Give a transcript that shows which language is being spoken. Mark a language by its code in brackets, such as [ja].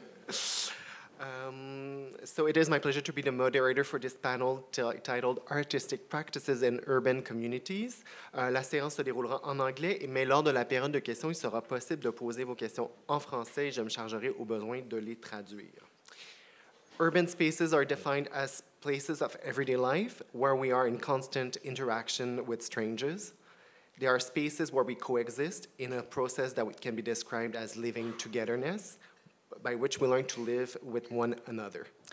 [en] So it is my pleasure to be the moderator for this panel titled Artistic Practices in Urban Communities. [fr] La séance se déroulera en anglais, mais lors de la période de questions, il sera possible de poser vos questions en français et je me chargerai au besoin de les traduire. [en] Urban spaces are defined as places of everyday life where we are in constant interaction with strangers. There are spaces where we coexist in a process that can be described as living togetherness, by which we learn to live with one another.